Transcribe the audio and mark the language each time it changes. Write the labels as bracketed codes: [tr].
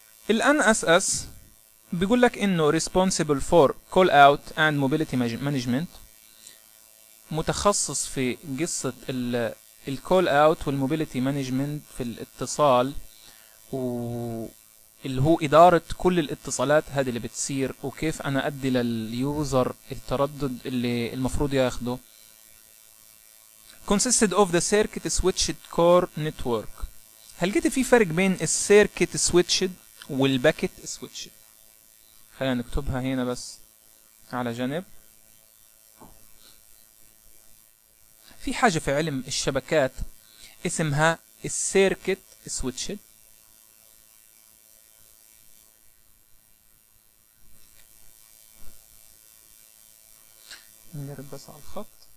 [ar] الـ NSS بيقول لك إنه [en] responsible for call out and mobility management، [ar] متخصص في قصة الـ call out والmobility management في الاتصال، واللي هو إدارة كل الاتصالات هذه اللي بتصير، وكيف أنا أدي لليوزر التردد اللي المفروض ياخده. [en] consisted of the circuit switched core network. [ar] هل جيت في فرق بين circuit switched والباكت سويتش؟ خلينا نكتبها هنا بس على جنب. في حاجة في علم الشبكات اسمها السيركت سويتش، نقرب بس على الخط.